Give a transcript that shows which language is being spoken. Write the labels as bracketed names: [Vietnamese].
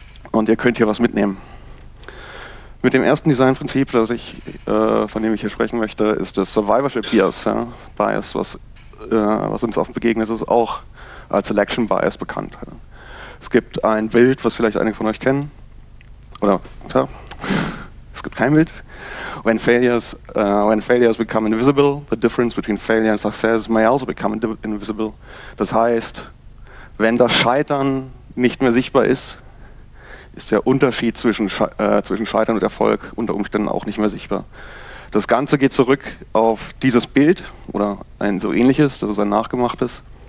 [German] Und ihr könnt hier was mitnehmen. Mit dem ersten Designprinzip, von dem ich hier sprechen möchte, ist das Survivorship Bias, ja? Bias, was uns oft begegnet ist, auch als Selection Bias bekannt. Es gibt ein Bild, was vielleicht einige von euch kennen. Oder, tja, es gibt kein Bild. [English] When failures become invisible, the difference between failure and success may also become invisible. [German] Das heißt, wenn das Scheitern nicht mehr sichtbar ist, ist der Unterschied zwischen Scheitern und Erfolg unter Umständen auch nicht mehr sichtbar. Das Ganze geht zurück auf dieses Bild oder ein so ähnliches, das ist ein nachgemachtes.